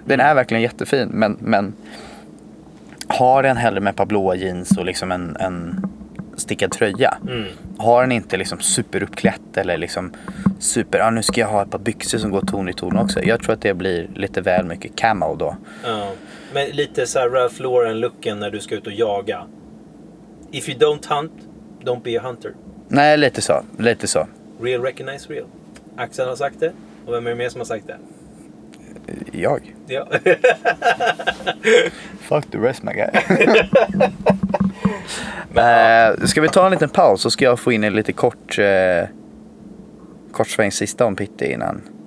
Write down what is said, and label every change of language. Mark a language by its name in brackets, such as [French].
[Swedish] Den är verkligen jättefin. Men har den hellre med ett par blåa jeans och liksom en stickad tröja. Mm. Har den inte liksom superuppklätt eller liksom super, nu ska jag ha ett par byxor som går ton i ton också. Jag tror att det blir lite väl mycket camo då. Ja. Men lite så här Ralph Lauren-looken när du ska ut och jaga. [English] If you don't hunt, don't be a hunter. [Swedish] Nej, lite så. Lite så. [English] Real recognize real. [Swedish] Axel har sagt det. Och vem är det mer som har sagt det? Jag. Ja. [English] Fuck the rest, my guy. [Swedish] Ska vi ta en liten paus, så ska jag få in en lite kort sväng sista om Pitti innan.